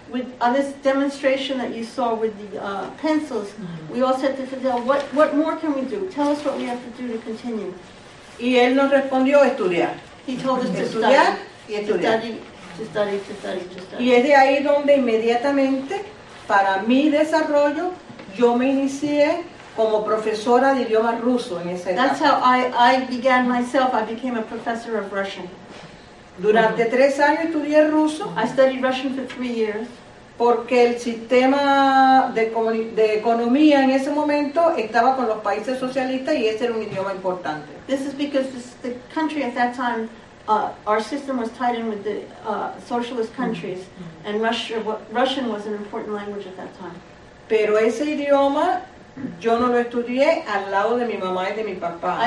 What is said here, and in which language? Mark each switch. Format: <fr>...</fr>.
<en>With this demonstration that you saw with the pencils, we all said to Fidel, what more can we do? Tell us what we have to do to continue.</en> <es>Y él nos respondió, estudiar.</es> <en>He told us to study.</en> <es>Y es de ahí donde inmediatamente, para mi desarrollo, yo me inicié como profesora de idioma ruso en esa edad.</es> <en>That's how I began myself. I became a professor of Russian.</en> <es>Durante tres años estudié ruso.</es> <en>I studied Russian for 3 years.</en> <es>Porque el sistema de economía en ese momento estaba con los países socialistas y ese era un idioma importante.</es> <en>This is because the country at that time, our system was tied in with the socialist countries, and Russian was an important language at that time.</en> <es>Pero ese idioma yo no lo estudié al lado de mi mamá y de mi papá.</es>